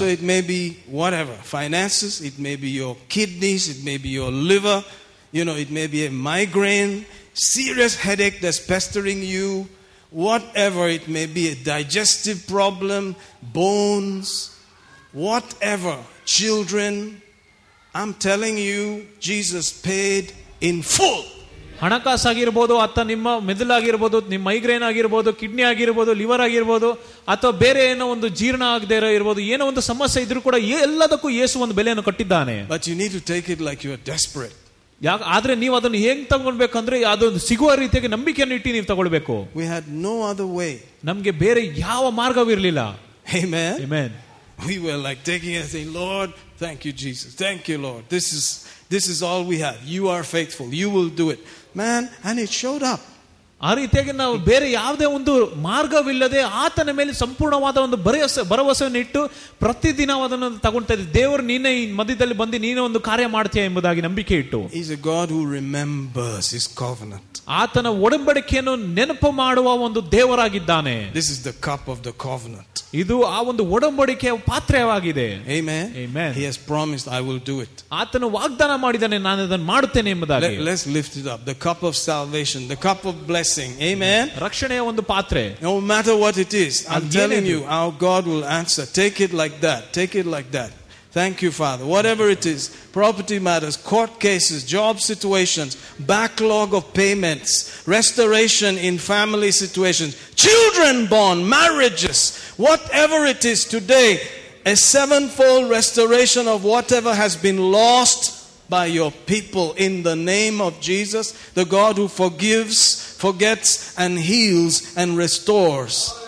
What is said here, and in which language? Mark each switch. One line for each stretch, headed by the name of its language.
English: So it may be whatever finances, it may be your kidneys, it may be your liver, you know, it may be a migraine, serious headache that's pestering you, whatever it may be, a digestive problem, bones, whatever, children, I'm telling you, Jesus paid in full.
Kannada: ಹಣಕಾಸು ಆಗಿರ್ಬೋದು, ಅಥವಾ ನಿಮ್ಮ ಮೆದುಲು ಆಗಿರ್ಬೋದು, ನಿಮ್ಮ migraine ಆಗಿರ್ಬೋದು, kidney ಆಗಿರ್ಬೋದು, liver ಆಗಿರ್ಬೋದು, ಅಥವಾ ಬೇರೆ ಏನೋ ಒಂದು ಜೀರ್ಣ ಆಗದೆ ಇರಬಹುದು, ಏನೋ ಒಂದು ಸಮಸ್ಯೆ ಇದ್ರೂ ಕೂಡ ಎಲ್ಲದಕ್ಕೂ ಯೇಸು ಒಂದು ಬೆಲೆಯನ್ನು ಕಟ್ಟಿದ್ದಾನೆ.
English: But you need to take it like you are desperate.
Kannada: ಆದ್ರೆ ನೀವು ಅದನ್ನು ಹೇಗ್ ತಗೊಳ್ಬೇಕಂದ್ರೆ ಅದೊಂದು ಸಿಗುವ ರೀತಿಯಾಗಿ ನಂಬಿಕೆಯನ್ನು ಇಟ್ಟು ನೀವು ತಗೊಳ್ಬೇಕು.
English: We had no other way.
Kannada: ನಮ್ಗೆ ಬೇರೆ ಯಾವ ಮಾರ್ಗವಿರಲಿಲ್ಲ.
English: Amen. Amen. We were like taking and saying, Lord, thank you, Jesus. Thank you, Lord. This is all we have. You are faithful. You will do it. Man, and it showed up.
Kannada: ಆ ರೀತಿಯಾಗಿ ನಾವು ಬೇರೆ ಯಾವುದೇ ಒಂದು ಮಾರ್ಗವಿಲ್ಲದೆ ಆತನ ಮೇಲೆ ಸಂಪೂರ್ಣವಾದ ಒಂದು ಭರವಸೆಯನ್ನು ಇಟ್ಟು ಪ್ರತಿದಿನ ಅದನ್ನು ತಗೊಳ್ತಾ ಇದ್ದೀವಿ. ದೇವರು ನೀನೆ ಈ ಮಧ್ಯದಲ್ಲಿ ಬಂದು ನೀನು ಒಂದು ಕಾರ್ಯ ಮಾಡ್ತೀಯ ಎಂಬುದಾಗಿ ನಂಬಿಕೆ ಇಟ್ಟು.
English: He's a God who remembers his covenant.
Kannada: ಆತನ ಒಡಂಬಡಿಕೆಯನ್ನು ನೆನಪು ಮಾಡುವ ಒಂದು ದೇವರಾಗಿದ್ದಾನೆ.
English: This is the cup of the covenant.
Kannada: ಇದು ಆ ಒಂದು ಒಡಂಬಡಿಕೆಯ ಪಾತ್ರವಾಗಿದೆ.
English: Amen. Amen. He has promised, I will do it.
Kannada: ಆತನು ವಾಗ್ದಾನ ಮಾಡಿದ್ದಾನೆ, ನಾನು ಅದನ್ನು ಮಾಡುತ್ತೇನೆ ಎಂಬುದಾಗಿ.
English: Let's lift it up. The cup of salvation, the cup of blessing. Amen.
Kannada: ರಕ್ಷಣೆಯ ಒಂದು ಪಾತ್ರೆ.
English: No matter what it is, I'm telling you, our God will answer. Take it like that. Take it like that. Thank you, Father. Whatever it is, property matters, court cases, job situations, backlog of payments, restoration in family situations, children born, marriages, whatever it is today, a sevenfold restoration of whatever has been lost by your people in the name of Jesus, the God who forgives, forgets, and heals and restores.